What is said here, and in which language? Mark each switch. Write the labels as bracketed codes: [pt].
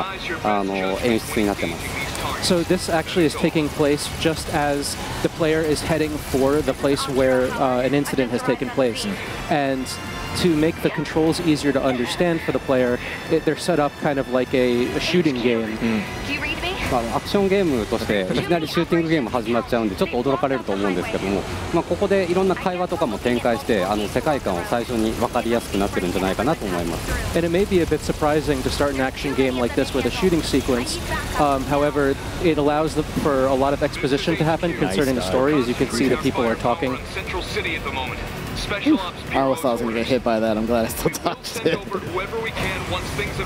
[ja] ここがまさに今事件が発生した場所に主人公が向かっている最中のところになってまして、攻撃ボタンだったり移動の操作だったりとかっていうのをシューティングゲーム風に学ばせてくれるような演出になってます。 [en] So this actually is taking place just as the player is heading for the place where an incident has taken place. And to make the controls easier to understand for the player, they're set up kind of like a shooting game. [ja] アクションゲームとしていきなりシューティングゲーム始まっちゃうんで、ちょっと驚かれると思うんですけども、ここでいろんな会話とかも展開して、世界観を最初に分かりやすくなってるんじゃないかなと思います。And [en] it may be a bit surprising to start an action game like this with a shooting sequence. However, it allows for a lot of exposition to happen concerning the story, as you can see the people are talking. I always thought I was going to get hit by that. I'm glad I still dodged it.